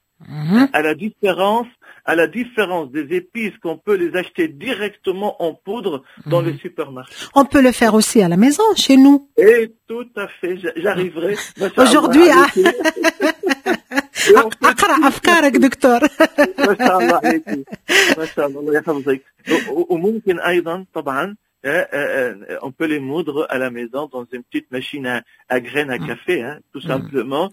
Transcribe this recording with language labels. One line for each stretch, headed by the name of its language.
French: Mm-hmm. À la différence des épices qu'on peut les acheter directement en poudre dans le supermarché. On peut le faire aussi à la maison, chez nous. Et tout à fait, j'arriverai. Aujourd'hui,
Arabic: أقرأ أفكارك دكتور. ما شاء الله عليك. وممكن أيضا طبعا
French: on peut les moudre à la maison dans une petite machine à graines à café tout simplement.